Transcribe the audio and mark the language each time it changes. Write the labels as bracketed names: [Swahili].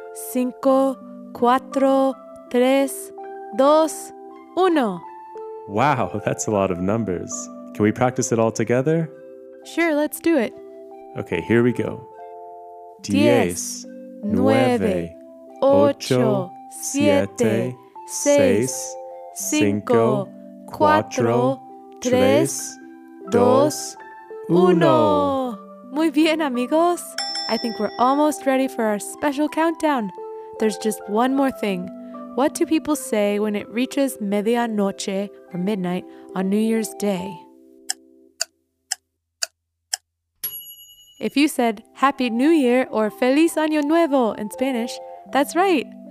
[Spanish] cinco, cuatro, tres, dos, uno. [English] Wow, that's a lot of numbers. Can we practice it all together? Sure, let's do it. Okay, here we go. [Spanish] Diez, nueve, ocho, siete, seis, cinco, cuatro, tres, dos, uno. Muy bien, amigos. [English] I think we're almost ready for our special countdown. There's just one more thing. What do people say when it reaches [Spanish] medianoche, [English] or midnight, on New Year's Day? If you said Happy New Year or [Spanish] Feliz Año Nuevo [English] in Spanish, that's right.